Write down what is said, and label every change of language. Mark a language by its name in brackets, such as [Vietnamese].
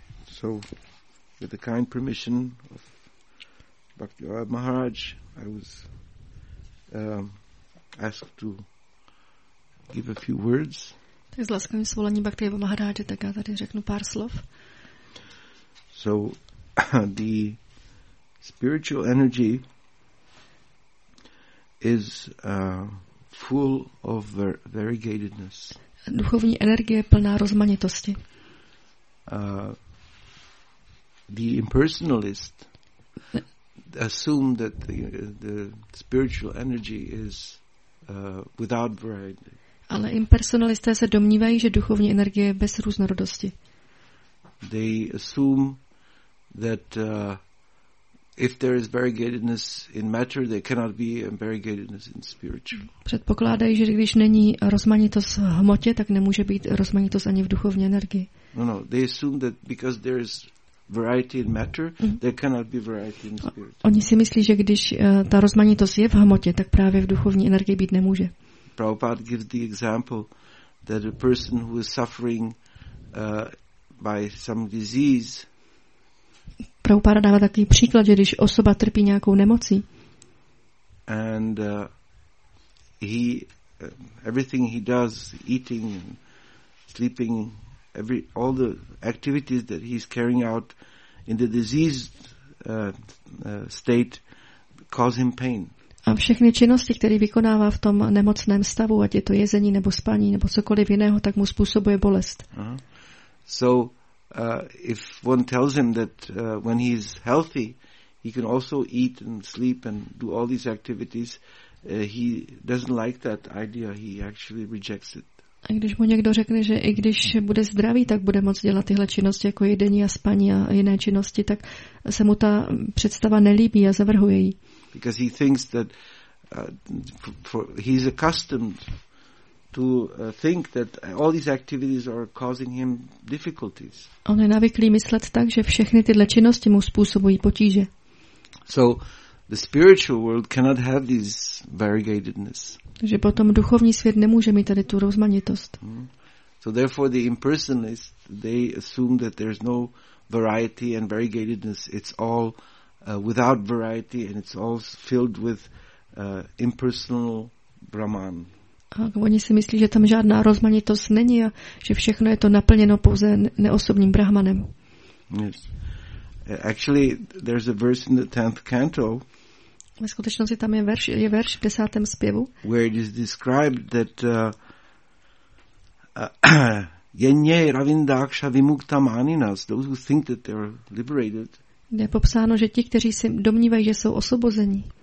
[English] So, with the kind permission of Bhakti Vaibhav Maharaj, I was asked to give a few words. [Czech] Tak s láskou svolení Bhakti Vaibhav Maharaj, tak já tady řeknu pár slov. [English] So, the spiritual energy is full of variegatedness. [Czech] Duchovní energie plná rozmanitosti. [English] The impersonalist assume that the spiritual energy is without variety. [Czech] Ale impersonalisté se domnívají, že duchovní energie je bez různorodosti. [English] They assume that if there is variegatedness in matter, there cannot be variegatedness in spiritual. [Czech] Předpokládají, že když není rozmanitost v hmotě, tak nemůže být rozmanitost ani v duchovní energii. [English] No, no, they assume that because there is variety in matter, there cannot be variety in spirit. [Czech] Oni si myslí, že když ta rozmanitost je v hmotě, tak právě v duchovní energii být nemůže. [English] Prabhupada gives the example that a person who is suffering by some disease. [Czech] Prabhupada dává takový příklad, že když osoba trpí nějakou nemocí. [English] And he everything he does, eating, sleeping, all the activities that he's carrying out in the diseased state cause him pain. [Czech] A všechny činnosti, které vykonává v tom nemocném stavu, ať je to jezení nebo spaní nebo cokoliv jiného, tak mu způsobuje bolest. [English] If one tells him that when he's healthy, he can also eat and sleep and do all these activities, he doesn't like that idea. He actually rejects it. [Czech] A když mu někdo řekne, že i když bude zdravý, tak bude moct dělat tyhle činnosti jako jedení a spaní a jiné činnosti, tak se mu ta představa nelíbí a zavrhuje ji. [English] Because he thinks that he's accustomed to think that all these activities are causing him difficulties. [Czech] On je navyklý myslet tak, že všechny tyhle činnosti mu způsobují potíže. [English] So the spiritual world cannot have this variegatedness. [Czech] Takže potom duchovní svět nemůže mít tady tu rozmanitost. [English] So therefore the impersonalist, they assume that there's no variety and variegatedness. It's all without variety and it's all filled with impersonal Brahman. [Czech] A oni si myslí, že tam žádná rozmanitost není a že všechno je to naplněno pouze neosobním Brahmanem. [English] Yes. Actually, there's a verse in the 10th canto. [Czech] Ve skutečnosti tam je verš v 10. zpěvu. [English] Where it is described that [Sanskrit] yenye ravindaksha vimukta maninas, [English] those who think that they are liberated. [Czech] Je popsáno, že ti, kteří si domnívají, že jsou osvobození.